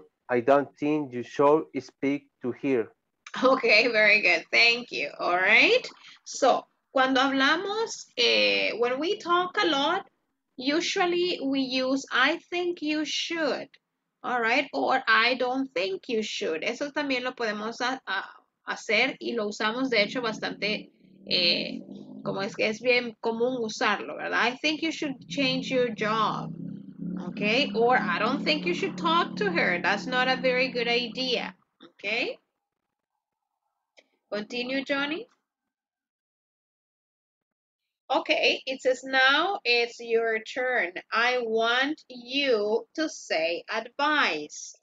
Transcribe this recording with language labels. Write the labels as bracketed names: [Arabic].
[English] I don't think you show speak to hear. Okay, very good. Thank you. All right. So, [Spanish] cuando hablamos, [English] when we talk a lot, usually we use I think you should, all right, or I don't think you should. [Spanish] Eso también lo podemos hacer y lo usamos, de hecho, bastante como es que es bien común usarlo, ¿verdad? [English] I think you should change your job. Okay, or I don't think you should talk to her. That's not a very good idea. Okay. Continue, Johnny. Okay, it says now it's your turn. I want you to say advice.